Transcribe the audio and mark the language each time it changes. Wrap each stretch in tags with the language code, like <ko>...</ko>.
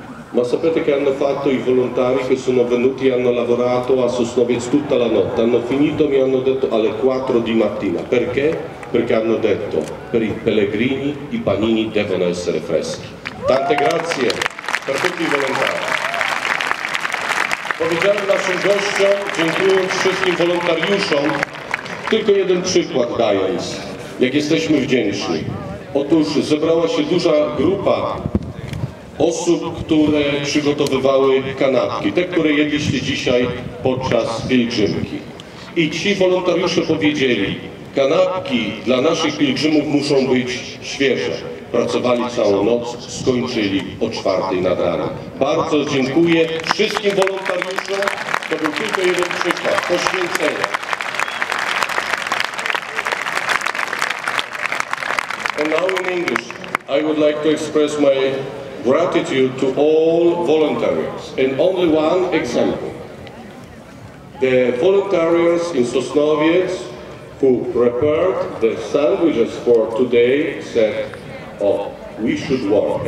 <it>Ma sapete che hanno fatto i volontari che sono venuti e hanno lavorato a Sosnowiec tutta la notte? Hanno finito, mi hanno detto, alle 4 di mattina. Perché? Perché hanno detto, per i pellegrini i panini devono essere freschi. Tante grazie per tutti i volontari.</it> <pl>Powiedziałem naszym gościom, dziękując wszystkim wolontariuszom, tylko jeden przykład dając, jak jesteśmy wdzięczni. Otóż zebrała się duża grupa osób, które przygotowywały kanapki, te, które jedliście dzisiaj podczas pielgrzymki. I ci wolontariusze powiedzieli, kanapki dla naszych pielgrzymów muszą być świeże. Pracowali całą noc, skończyli o 4 nad rano. Bardzo dziękuję wszystkim wolontariuszom. To był tylko jeden przykład poświęcenia.</pl> <en>And now in English, I would like to express my gratitude to all volunteers. And only one example. The volunteers in Sosnowiec who prepared the sandwiches for today said, oh, we should work.</en>